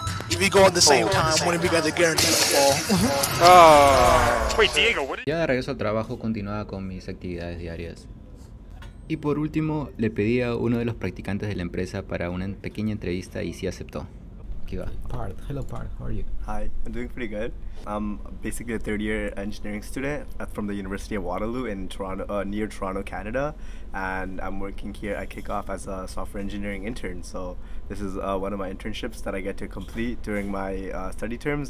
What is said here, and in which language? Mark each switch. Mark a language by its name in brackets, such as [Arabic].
[English] If you go at the same time, one of you guys are guaranteed to fall. Wait, Diego, what? [Spanish] Ya de regreso al trabajo, continuaba con mis actividades diarias. Y por último, le pedí a uno de los practicantes de la empresa para una pequeña entrevista y sí aceptó. [English] Part. Hello, Part. How are you? Hi. I'm doing pretty good. I'm basically a third-year engineering student from the University of Waterloo in Toronto, near Toronto, Canada. And I'm working here at Kickoff as a software engineering intern. So this is one of my internships that I get to complete during my study terms.